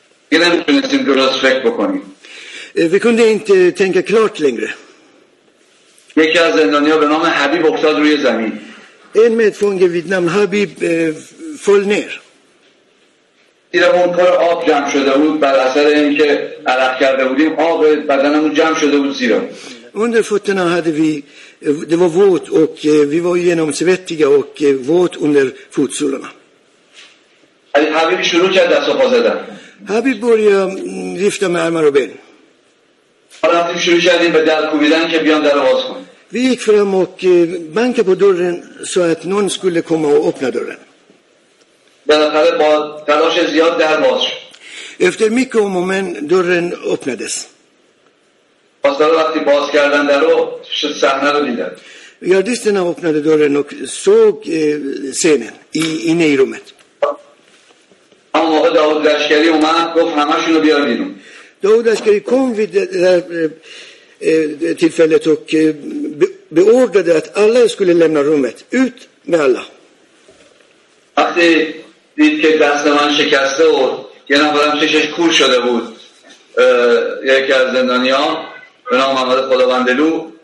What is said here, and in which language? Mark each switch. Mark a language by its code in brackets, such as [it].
[sv] Vi kunde inte drömma fritt på kvällen. Vi kunde inte tänka klart längre. [fa] یکی از زندانیها به نام حبیب افتاد روی زمین. [sv] En medfånge vid namn Habib föll ner. [fa] زیرمون پر آب جمع شده بود بر اثر اینکه عرق کرده بودیم آب بدنمون جمع شده بود زیرا [sv] under fötterna hade vi det var våt och vi var genomsvettiga och våt under fotsulorna. [fa] Habib شروع کرد دست و پا زدن. [sv] Habib började vifta med armar och ben. [fa] Habib شروع کرد به در کوبیدن که بیان در باز کن. [sv] Vi gick fram och bankade på dörren så att någon skulle komma och öppna dörren. [fa] بالاخره با تلاش زیاد در باز شد. [sv] Efter mycket om och men dörren öppnades. [fa] پاسدارا وقتی باز کردن درو صحنه رو دیدن. [sv] گاردیستنا öppnade dörren och såg scenen inne i rummet. [fa] اما موقع داود لشکری اومد گفت همشونو بیار بیرون. [sv] داود لشکری kom vid det tillfället och beordrade att alla skulle lämna rummet ut med alla. [fa] وقتی دید که دست من شکسته و یه نفرم چشش کور شده بود یکی از زندانیان به نام محمد خداوندلو